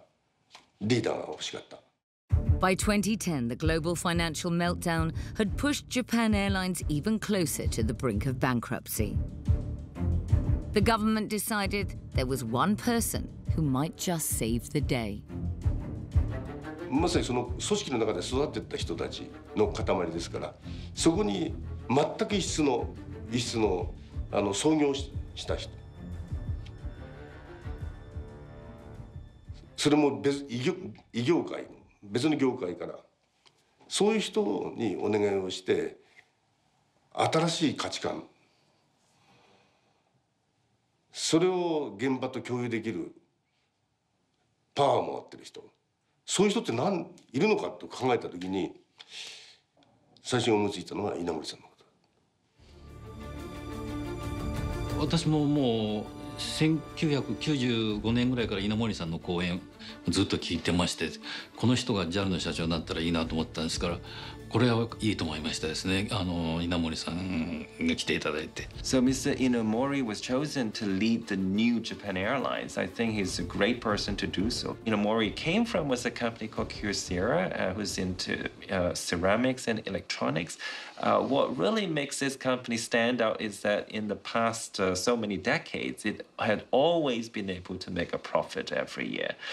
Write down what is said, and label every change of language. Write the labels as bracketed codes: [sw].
[ja] あの、航空業ってね、やっぱり国の行政、権益と非常にこう密接な関係がある。この会社がやってきたことを、若干の変化を持たせるとしても、それを踏襲しながら、調整をするというぐらいのことしか、おそらく発想として出てこないと思う。だから全くの異業種の方からリーダーが欲しかった。 [en] By 2010, the global financial meltdown had pushed Japan Airlines even closer to the brink of bankruptcy. The government decided there was one person who might just save the day. [ja] まさにその組織の中で育ってった人たち の塊ですから、そこに全く異業界の、別の業界から、そういう人にお願いをして、新しい価値観、それを現場と共有できるパワーを持ってる人、そういう人って何いるのかと考えたときに、最初に思いついたのは稲森さんのこと。私ももう1995年ぐらいから稲森さんの講演、ずっと聞いてまして、この人が JAL の社長になったらいいなと思ったんですから、これはいいと思いましたですね。あの稲盛さんが来ていただいて。 [en] So Mr. Inomori was chosen to lead the new Japan Airlines. I think he's a great person to do so. Inomori came from was a company called Kyocera, who's into ceramics and electronics. What really makes this company stand out is that in the past so many decades, it had always been able to make a profit every year.